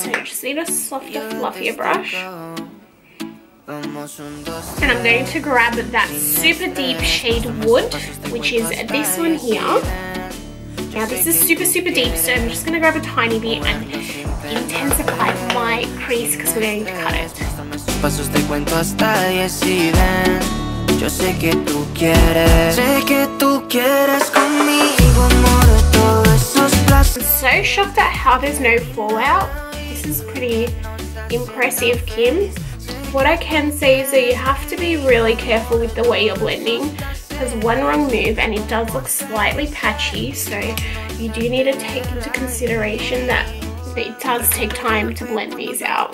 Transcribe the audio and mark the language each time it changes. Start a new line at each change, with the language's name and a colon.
English: So you just need a softer, fluffier brush. And I'm going to grab that super deep shade Wood, which is this one here. Now this is super, super deep, so I'm just going to grab a tiny bit and intensify my crease because we're going to cut it.
Spanish: Pasos te cuento hasta 10 y ven. Yo sé que tú quieres. Sé que tú quieres conmigo, amor, todos esos plazos.
English: I'm so shocked at how there's no fallout. This is pretty impressive, Kim. What I can say is that you have to be really careful with the way you're blending, because one wrong move and it does look slightly patchy, so you do need to take into consideration that it does take time to blend these out.